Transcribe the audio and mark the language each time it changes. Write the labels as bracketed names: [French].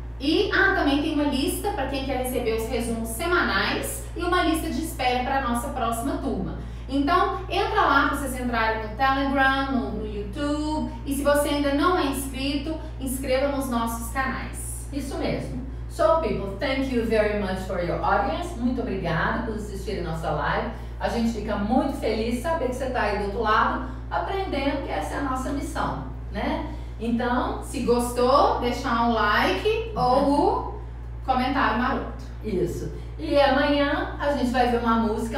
[Portuguese] E também tem uma lista para quem quer receber os resumos semanais e uma lista de espera para a nossa próxima turma. Então, entra lá, vocês entrarem no Telegram, no YouTube. E se você ainda não é inscrito, inscreva nos nossos canais. Isso mesmo. [English] So, people, thank you very much for your audience. [Portuguese] Muito obrigada por assistir a nossa live. A gente fica muito feliz saber que você está aí do outro lado aprendendo, que essa é a nossa missão, né? Então, se gostou, deixar um like ou o comentário maroto. Isso. E amanhã a gente vai ver uma música.